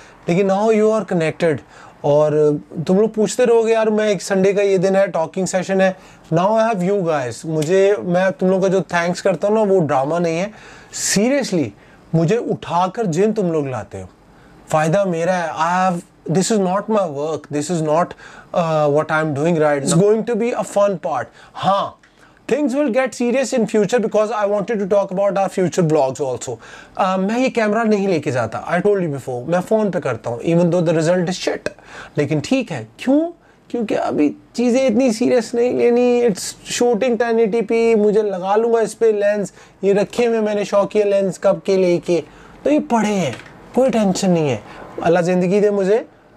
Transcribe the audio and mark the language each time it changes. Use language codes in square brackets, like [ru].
[hi] लेकिन [en] now you are connected [hi] और तुम लोग पूछते रहोगे यार मैं एक संडे का ये दिन है टॉकिंग सेशन है, [en] now I have you guys, [hi] मुझे मैं तुम लोग का जो थैंक्स करता हूँ ना वो ड्रामा नहीं है, सीरियसली मुझे उठाकर जिन तुम लोग लाते हो फ़ायदा मेरा है, I have [en] This is not my work, this is not what I'm doing right, it's going to be a fun part. हाँ, things will get serious in future because I wanted to talk about our future vlogs also. [hi] मैं ये camera नहीं लेके जाता, [en] I told you before, [hi] मैं phone पे करता हूँ, [en] even though the result is shit, [hi] लेकिन ठीक है, क्यों, क्योंकि अभी चीज़ें इतनी सीरियस नहीं लेनी, [en] it's shooting 1080p, [hi] मुझे लगा लूँगा इस पर लेंस, ये रखे हुए मैंने शौकिया लेंस कब के लेके, तो ये पड़े हैं, कोई टेंशन नहीं है, अल्लाह ज़िंदगी दे मुझे,